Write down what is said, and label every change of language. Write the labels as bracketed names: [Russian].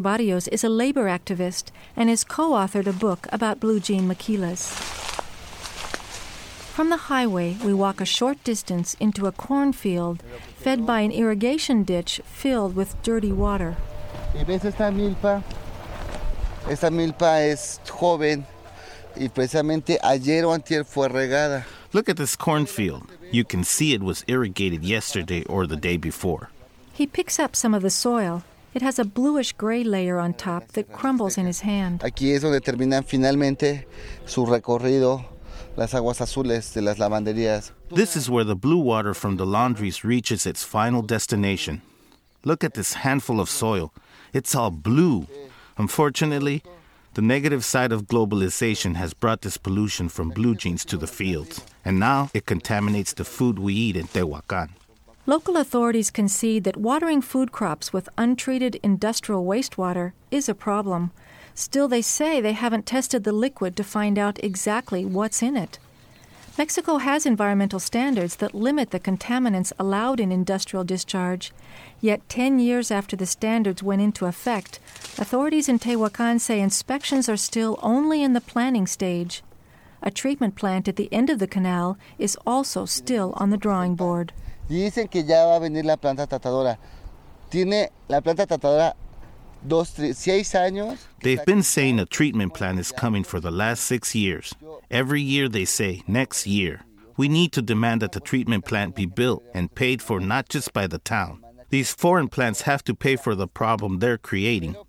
[English] Barrios is a labor activist and has co-authored a book about blue jean maquilas. From the highway, we walk a short distance into a cornfield fed by an irrigation ditch filled with dirty water. [Spanish] ¿Y ves esta milpa? Esta milpa es joven. Y precisamente ayer o antier fue regada. [English] Look at this cornfield. You can see it was irrigated yesterday or the day before. He picks up some of the soil. It has a bluish-gray layer on top that crumbles in his hand. [Spanish] Aquí es donde terminan finalmente su recorrido las aguas azules de las lavanderías. [English] This is where the blue water from the laundries reaches its final destination. Look at this handful of soil. It's all blue. Unfortunately, the negative side of globalization has brought this pollution from blue jeans to the fields, and now it contaminates the food we eat in Tehuacan. Local authorities concede that watering food crops with untreated industrial wastewater is a problem. Still, they say they haven't tested the liquid to find out exactly what's in it. Mexico has environmental standards that limit the contaminants allowed in industrial discharge. Yet 10 years after the standards went into effect, authorities in Tehuacan say inspections are still only in the planning stage. A treatment plant at the end of the canal is also still on the drawing board. [Spanish] Dicen que ya va a venir la planta tratadora. Tiene la planta tratadora. [English] They've been saying a treatment plan is coming for the last 6 years. Every year they say, next year. We need to demand that the treatment plant be built and paid for not just by the town. These foreign plants have to pay for the problem they're creating.